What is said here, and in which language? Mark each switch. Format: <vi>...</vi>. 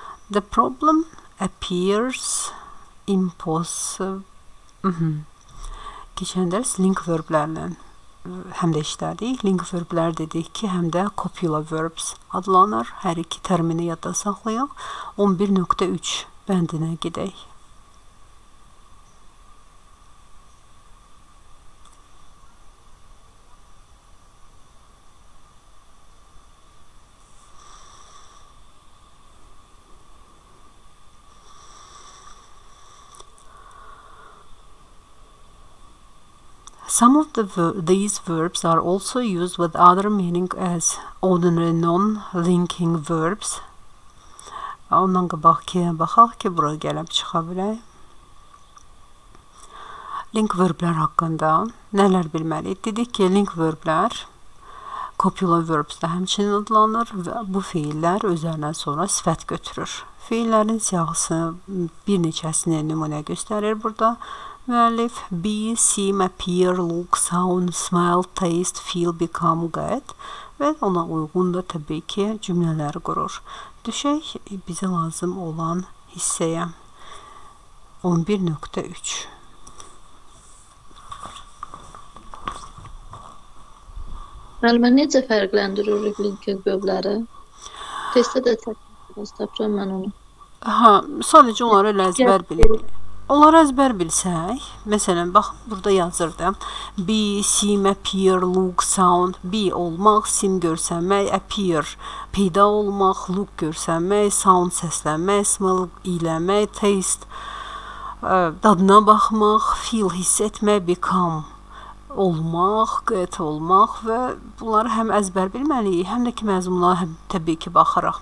<en>The problem appears impossible.</en> <az>Keçən dərs link verblərlə həm də işlədik. Link verblər dedik ki, həm də copula verbs adlanır. Hər iki termini yadda saxlayaq. 11.3 bəndinə gedək.</az> <en>Some of these verbs are also used with other meaning as ordinary non-linking verbs.</en> <az>Ondan qabaq ki, baxaq ki, bura gəlib çıxa bilək. Link verblər haqqında nələr bilməliyik? Dedik ki, link verblər copula verbs də həmçinin adlanır və bu fiillər özlərindən sonra sifət götürür. Fiillərin siyahısı bir neçəsinə nümunə göstərir burada. Müəllif, be, seem, appear, look, sound, smell, taste, feel, become, get və ona uyğun da təbii ki cümlələr qurur. Düşək bizə lazım olan hissəyə. 11.3 Məlumə necə fərqləndiririk linking bövləri? Testdə də çəkmişsiniz, tapacağım mən onu. Ha, sadəcə onları elə əzbər bilirik. Onları əzbər bilsək, məsələn, bax, burada yazırdı.</az> <en>Be, seem, appear, look, sound.</en> <az>Be olmaq, seem görsənmək, appear, peyda olmaq, look görsənmək, sound səslənmək, smell iləmək, taste, dadına baxmaq, feel hiss etmək, become olmaq, qeyd olmaq və bunları həm əzbər bilməliyik, həm də ki, məzmuna həm təbii ki, baxaraq.</az>